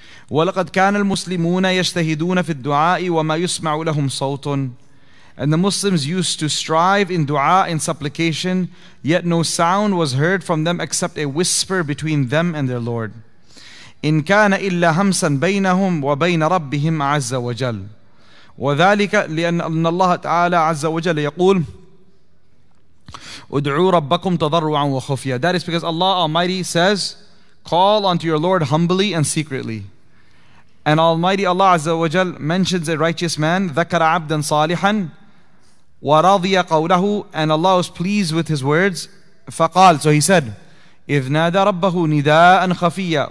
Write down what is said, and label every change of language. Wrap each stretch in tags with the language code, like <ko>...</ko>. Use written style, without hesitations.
<ar>وَلَقَدْ كَانَ الْمُسْلِمُونَ يَجْتَهِدُونَ فِي الدُّعَاءِ وَمَا يُسْمَعُ لَهُمْ صَوْتٌ.</ar> <en>And the Muslims used to strive in dua, in supplication, yet no sound was heard from them except a whisper between them and their Lord.</en> <ar>إِن كَانَ إِلَّا هَمْسًا بَيْنَهُمْ وَبَيْنَ رَبِّهِمْ عَزَّ وَجَلَّ. وَذَلِكَ لِأَنَّ اللَّهَ تَعَالَى عَزَّ وَجَلَّ يَقُولْ ادعوا ربكم تضرعا وخفيا.</ar> <en>That is because Allah Almighty says, call unto your Lord humbly and secretly. And Almighty Allah Azza wa Jal mentions a righteous man,</en> <ar>ذكر عبدا صالحا ورضي قوله.</ar> <en>And Allah was pleased with his words.</en> <ar>فقال,</ar> <en>so he said,</en> <ar>إذ نادى ربه نداء خفيا.</ar>